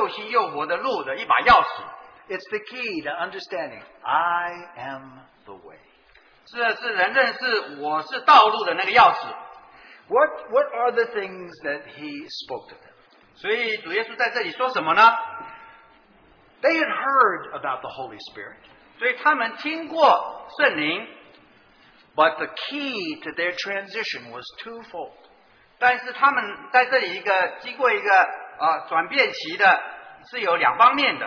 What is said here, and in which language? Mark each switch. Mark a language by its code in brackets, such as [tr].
[zh] 这个就是在让我们认识到又新又活的路的一把钥匙。 [en] It's the key to understanding I am the way. [zh] 这是人认识我是道路的那个钥匙。 [en] What are the things that he spoke to them? [zh] 所以主耶稣在这里说什么呢? [en] They had heard about the Holy Spirit. [zh] 所以他们听过圣灵。 [en] But the key to their transition was twofold. [zh] 但是他们在这里一个经过一个转变期的是有两方面的。